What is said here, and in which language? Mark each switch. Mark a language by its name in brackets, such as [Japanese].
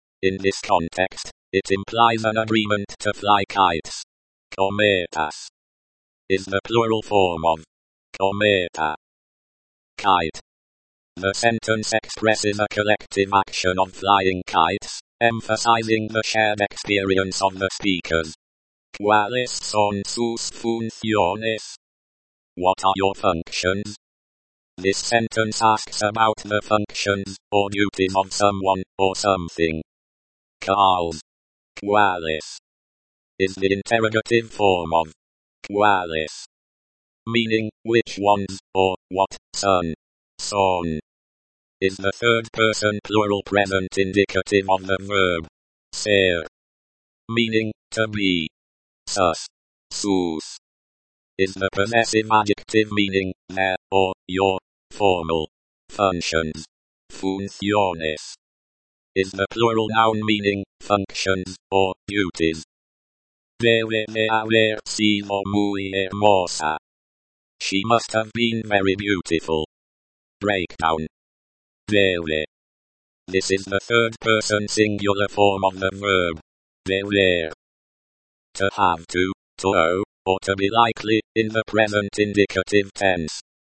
[English] In this context, it implies an agreement to fly kites. Cometas is the plural form of cometa. Kite. The sentence expresses a collective action of flying kites, emphasizing the shared experience of the speakers. [Spanish] ¿Cuáles son sus funciones? [English] What are your functions? This sentence asks about the functions or duties of someone or something. Carl's ¿Cuáles? Is the interrogative form of ¿Cuáles? Meaning, which ones, or what, son, son, is the third person plural present indicative of the verb ser, meaning, to be, sus, sus, is the possessive adjective meaning, their, or, your, formal, functions, funciones, is the plural noun meaning, functions, or, duties. [Spanish] Debe de haber sido muy hermosa. [English] She must have been very beautiful. Breakdown. Debe. This is the third person singular form of the verb. Debe. To have to owe, or to be likely, in the present indicative tense.